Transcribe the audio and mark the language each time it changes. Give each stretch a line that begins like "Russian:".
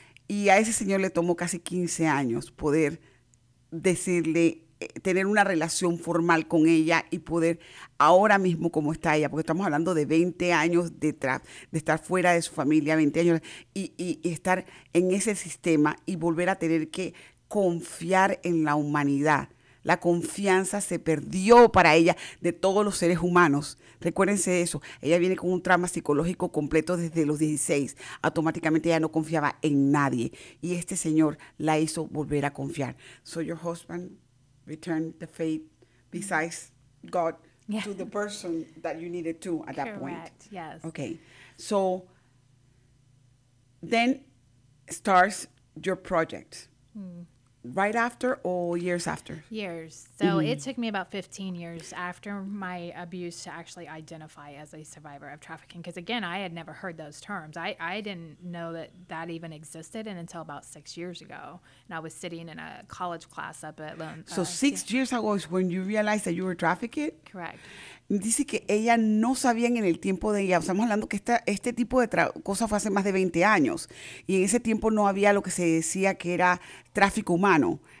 Spanish: Y a ese señor le tomó casi 15 años poder decirle, tener una relación formal con ella y poder ahora mismo como está ella, porque estamos hablando de 20 años detrás, de estar fuera de su familia, 20 años, y estar en ese sistema y volver a tener que confiar en la humanidad. La confianza se perdió para ella de todos los seres humanos. Recuérdense eso. Ella viene con un trauma psicológico completo desde los 16. Automáticamente ella no confiaba en nadie. Y este señor la hizo volver a confiar.
English: So your husband returned the faith besides God to the person that you needed to at that correct. Point. Yes. Okay. So then starts your project. Right after or years after? Years. So It took me about 15 years after my abuse to actually identify as a survivor of trafficking. Because, again, I had never heard those terms. I didn't know that that even existed until about 6 years ago. And I was sitting in a college class up at... years ago is when you realized that you were trafficked? Correct.
Spanish: Dice que ella no sabía en el tiempo de ella. Estamos hablando que este tipo de cosa fue hace más de 20 años. Y en ese tiempo no había lo que se decía que era tráfico humano.